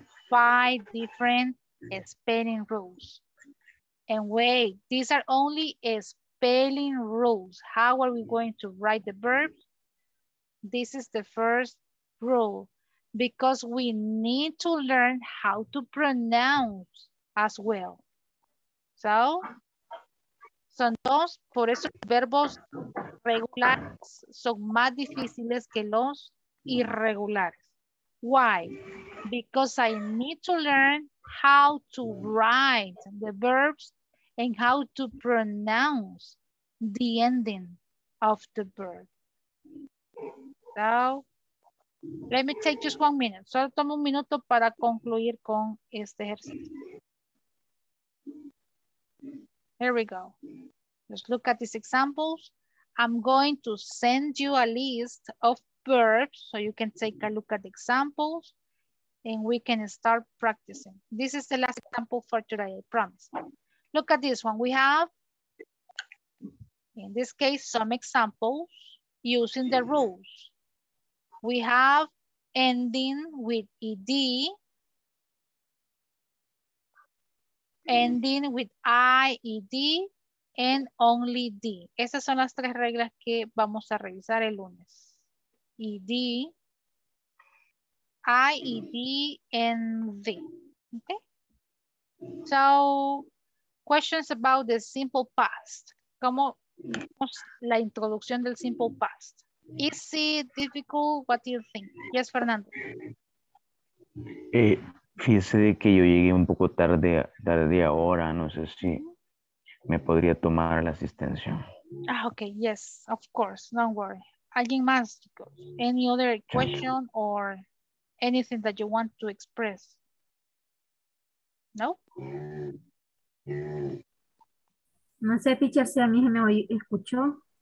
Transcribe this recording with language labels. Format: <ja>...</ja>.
<en>5 different spelling rules. And wait, these are only spelling rules. How are we going to write the verbs? This is the first rule, because we need to learn how to pronounce as well.</en> <es>So, son dos, por eso los verbos regulares son más difíciles que los irregulares.</es> <en>Why? Because I need to learn how to write the verbs and how to pronounce the ending of the verb. So, let me take just 1 minute.</en> <es>Solo tomo un minuto para concluir con este ejercicio.</es> <en>Here we go. Just look at these examples. I'm going to send you a list of verbs so you can take a look at the examples and we can start practicing. This is the last example for today, I promise. Look at this one. We have, in this case, some examples using the rules. We have ending with ED, ending with IED, and only D.</en> <es>Esas son las tres reglas que vamos a revisar el lunes.</es> <en>ED, IED, and V. Okay? So, questions about the simple past.</en> <es>¿Cómo vemos la introducción del simple past?</es> <en>Is it difficult? What do you think? Yes, Fernando.</en> <es>Fíjese de que yo llegué un poco tarde ahora. No sé si me podría tomar la asistencia.</es> <en>Ah, okay, yes, of course. Don't worry.</en> <es>¿Alguien más?</es> <en>Any other question or anything that you want to express? No?</en> <es>No sé, teacher, si a mí me escuchó.</es>